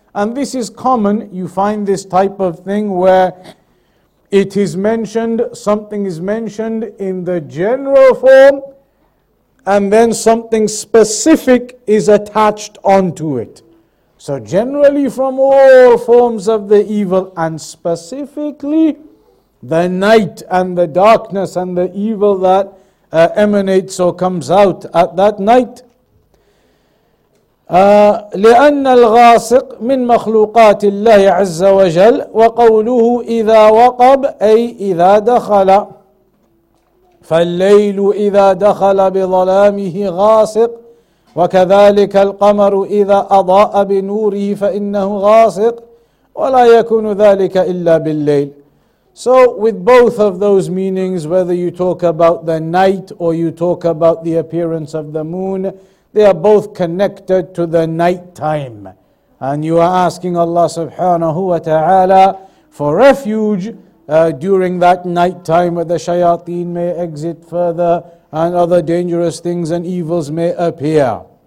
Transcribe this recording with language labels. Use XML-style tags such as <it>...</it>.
<en>And this is common. You find this type of thing where it is mentioned, something is mentioned in the general form, and then something specific is attached onto it. So generally from all forms of the evil, and specifically the night and the darkness and the evil that emanates or comes out at that night.</en> <ar>لِأَنَّ الْغَاسِقْ مِنْ مَخْلُوقَاتِ اللَّهِ عَزَّ وَجَلْ وَقَوْلُهُ إِذَا وَقَبْ أي إِذَا دَخَلَ فالليل إذا دخل بظلامه غاسق وكذلك القمر إذا أضاء بنوره فإنه غاسق ولا يكون ذلك إلا بالليل.</ar> <en>So with both of those meanings, whether you talk about the night or you talk about the appearance of the moon, they are both connected to the night time. And you are asking Allah subhanahu wa ta'ala for refuge during that night time, where the shayateen may exit further and other dangerous things and evils may appear.</en>